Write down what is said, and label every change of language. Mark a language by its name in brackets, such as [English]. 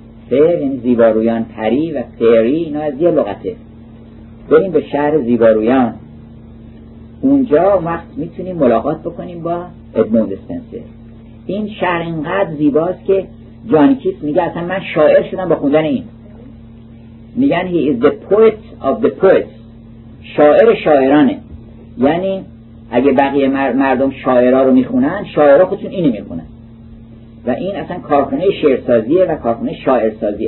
[Persian] fair یعنی زیبارویان. پری و فیری اینا از یه لغته. بریم به شهر زیبارویان اونجا وقت میتونیم ملاقات بکنیم با ادموند اسپنسر. این شهر اینقدر زیباست که جان کیتس میگه اصلا من شاعر شدم با خوندن این. میگن [English] he is the poet of the poets. [Persian] شاعر شاعرانه. یعنی اگه بقیه مردم شاعرها رو میخونن شاعرها خودشون اینو میخونن. و این اصلا کارخونه شعرسازیه و کارخونه شاعرسازیه.